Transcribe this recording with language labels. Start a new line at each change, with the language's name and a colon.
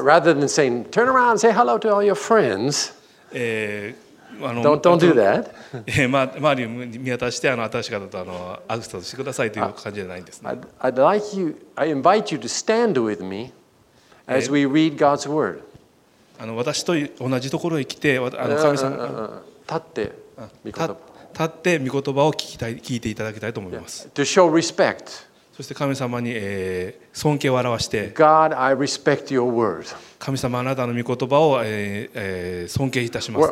English: Rather than saying turn around and say hello to all your friends, don't do that.
Japanese: 周りを見渡して新しい方とアクセスしてくださいという感じじゃないんですね。
English: I'd like you, I invite you to stand with meAs we read God's word.
Japanese: 私と同じところへ来て、神様立って御言葉、立って御言葉を聞いていただきたいと思います。
English: Yeah. To show respect.
Japanese: そして神様に尊敬を表して、
English: God, I respect your word.
Japanese: 神様あなたの御言葉を尊敬いたします。